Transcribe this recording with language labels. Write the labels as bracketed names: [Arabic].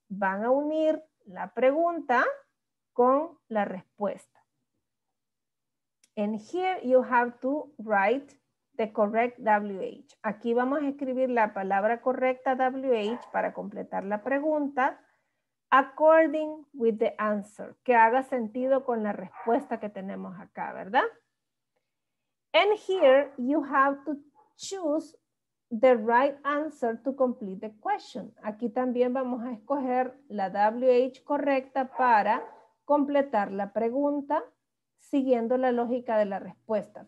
[Spanish] Van a unir la pregunta con la respuesta. [English] And here you have to write the correct WH. [Spanish] Aquí vamos a escribir la palabra correcta WH para completar la pregunta. [English] According with the answer, [Spanish] que haga sentido con la respuesta que tenemos acá, ¿verdad? [English] And here you have to choose the right answer to complete the question. [Spanish] Aquí también vamos a escoger la WH correcta para completar la pregunta siguiendo la lógica de la respuesta.